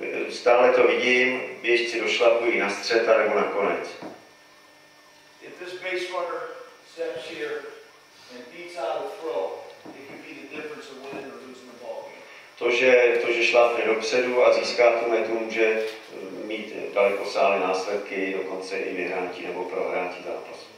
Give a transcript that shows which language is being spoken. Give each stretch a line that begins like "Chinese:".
Czech: Stále to vidím, běžci došlapují na střed nebo na konec.
English: this base runner steps here and beats out a throw, it could be the difference of winning or losing the ball game.
Czech: To, že šlápne dopředu a získá tu metu, může mít dalekosáhlé následky, dokonce i vyhrátí nebo prohrátí zápas.